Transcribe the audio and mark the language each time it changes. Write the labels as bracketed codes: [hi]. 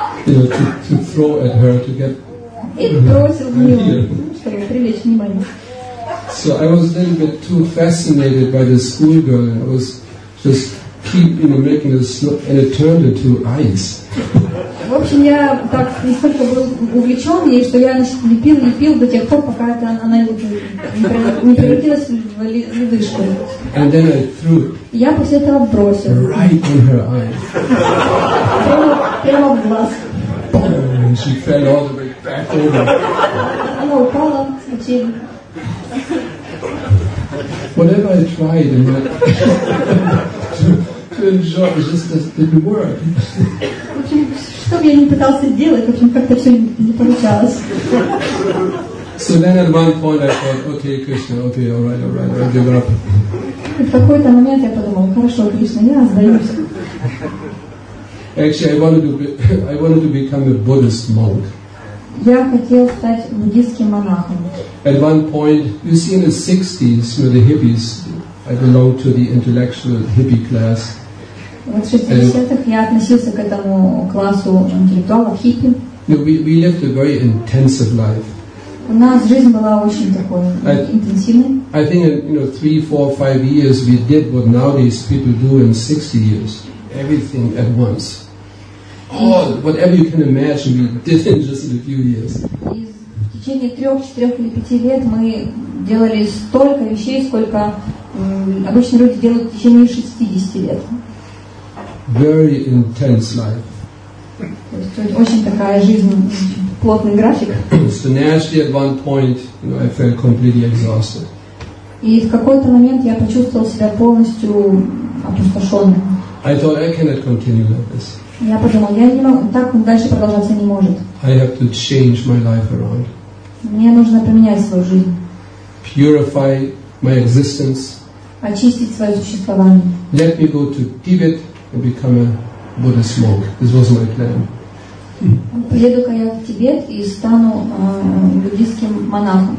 [en] You know, to throw at her to get. [ru] И бросил в нее, чтобы привлечь внимание. [en] So I was a little bit too fascinated by the schoolgirl. I was just keep, you know, making the snow, and it turned into ice. [ru] В общем, я так настолько был увлечен ей, что я лепил до тех пор, пока это она не превратилась в ледышку. [en] And then I threw it. [ru] Я после этого бросил. [en] Right in her eyes. [ru] Прямо в глаз. [en] Boom, and she fell all the way back over. [ru] Она упала с качели. [en] Whatever I tried in my to enjoy, it just didn't work. [ru] Что бы я ни пытался делать, в общем, как-то все не получалось. [en] So then at one point I thought, okay, Krishna, okay, all right, I'll give up. [ru] И в какой-то момент я подумал, хорошо, Кришна, я сдаюсь. [en] Actually, I wanted to become a Buddhist monk. [ru] Я хотел стать буддийским монахом. [en] At one point, you see, in the 60s, you know, the hippies, I belong to the intellectual hippie class. [ru] Вот в 60-х я относился к этому классу интеллектуалов, хиппи. [en] We lived a very intensive life. [ru] У нас жизнь была очень такой интенсивной. [en] I think, you know, 3, 4, 5 years we did what nowadays people do in 60 years. Everything at once. All, whatever you can imagine, we did in just a few years. [ru] В течение 3, 4 или 5 лет мы делали столько вещей, сколько обычно люди делают в течение 60 лет. [en] Very intense life. [ru] Очень такая жизнь, плотный график. [en] So naturally, at one point, you know, I felt completely exhausted. [ru] И в какой-то момент я почувствовал себя полностью опустошенным. [en] I thought I cannot continue like this. [ru] Я подумал, я не могу, так дальше продолжаться не может. [en] I have to change my life around. [ru] Мне нужно поменять свою жизнь. [en] Purify my existence. [ru] Очистить свое существование. [en] Let me go to Tibet and become a Buddhist monk. This was my plan. [ru] Поеду-ка я в Тибет и стану буддийским монахом.